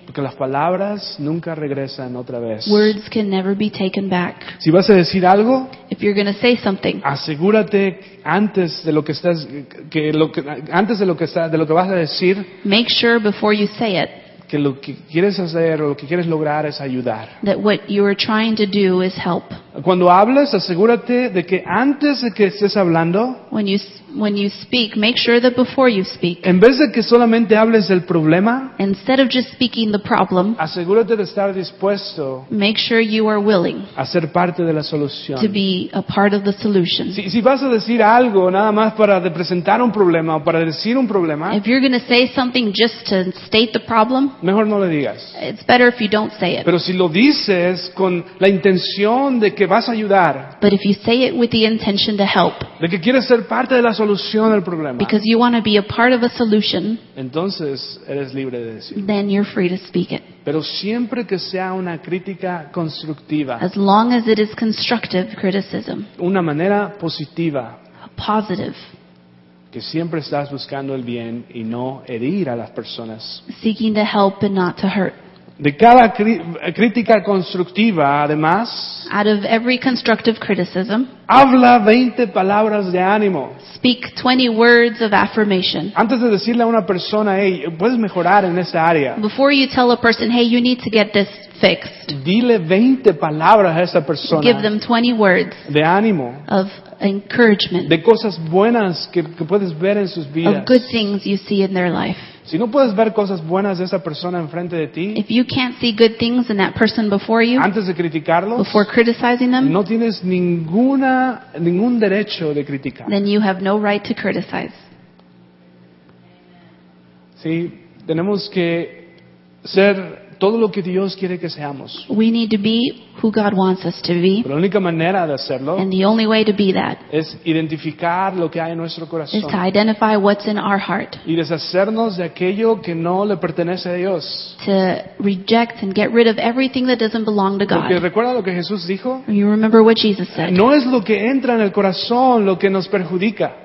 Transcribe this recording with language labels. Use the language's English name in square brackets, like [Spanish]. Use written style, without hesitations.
[Spanish] Porque las palabras nunca regresan otra vez. [English] Words can never be taken back. [Spanish] Si vas a decir algo, [English] if you're going to say something, [Spanish] asegúrate antes de lo que estás que lo que antes de lo que estás de lo que vas a decir, [English] make sure before you say it, [Spanish] que lo que quieres hacer o lo que quieres lograr es ayudar. [English] That what you are trying to do is help. [Spanish] Cuando hables, asegúrate de que antes de que estés hablando, [English] when you speak, make sure that before you speak, [Spanish] en vez de que solamente hables del problema, [English] instead of just speaking the problem, [Spanish] asegúrate de estar dispuesto, [English] make sure you are willing, [Spanish] a ser parte de la solución, [English] to be a part of the solution. [Spanish] Si vas a decir algo nada más para presentar un problema o para decir un problema, [English] if you're going to say something just to state the problem, [Spanish] mejor no lo digas. [English] It's better if you don't say it. [Spanish] Pero si lo dices con la intención de que vas a ayudar, [English] but if you say it with the intention to help, [Spanish] de que quieres ser parte de la solución al problema, [English] because you want to be a part of a solution, [Spanish] entonces eres libre de decirlo. [English] Then you're free to speak it. [Spanish] Pero siempre que sea una crítica constructiva, [English] as long as it is constructive criticism, [Spanish] una manera positiva, [English] a positive, [Spanish] que siempre estás buscando el bien y no herir a las personas, [English] seeking to help and not to hurt. [Spanish] De cada crítica constructiva, además, [English] out of every constructive criticism, [Spanish] habla 20 palabras de ánimo. [English] Speak 20 words of affirmation. [Spanish] Antes de decirle a una persona, hey, puedes mejorar en esta área, [English] before you tell a person, hey, you need to get this fixed, [Spanish] dile 20 palabras a esa persona. [English] Give them 20 words [Spanish] de ánimo, [English] of encouragement, [Spanish] de cosas buenas que puedes ver en sus vidas, [English] of good things you see in their life. [Spanish] Si no puedes ver cosas buenas de esa persona enfrente de ti, [English] if you can't see good things in that person before you, [Spanish] antes de criticarlos, [English] before criticizing them, [Spanish] no tienes ningún derecho de criticar. [English] Then you have no right to criticize. [Spanish] Sí, tenemos que ser todo lo que Dios quiere que seamos. [English] We need to be who God wants us to be. [Spanish] La única manera de hacerlo, [English] and the only way to be that, [Spanish] es identificar lo que hay en nuestro corazón, [English] is to identify what's in our heart, [Spanish] y deshacernos de aquello que no le pertenece a Dios, [English] to reject and get rid of everything that doesn't belong to God. [Spanish] Porque recuerda lo que Jesús dijo. [English] You remember what Jesus said. [Spanish] No es lo que entra en el corazón lo que nos perjudica.